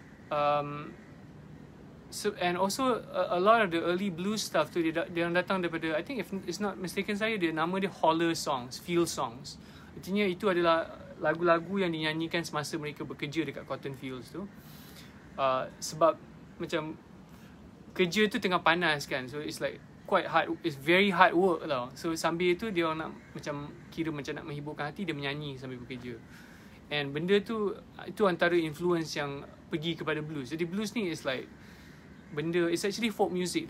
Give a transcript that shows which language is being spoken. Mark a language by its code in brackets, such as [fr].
[en] So, and also a lot of the early blues stuff [ms] tu dia datang daripada, [en] I think if it's not mistaken [ms] saya, dia nama dia Holler Songs, Field Songs. Artinya itu adalah lagu-lagu yang dinyanyikan semasa mereka bekerja dekat cotton fields tu. Sebab macam kerja tu tengah panas kan. [en] So it's like quite hard, it's very hard work lah. [ms] So sambil itu dia nak macam kira macam nak menghiburkan hati, dia menyanyi sambil bekerja. And benda tu, itu antara influence yang pergi kepada blues. Jadi blues ni [en] is like benda, it's actually folk music.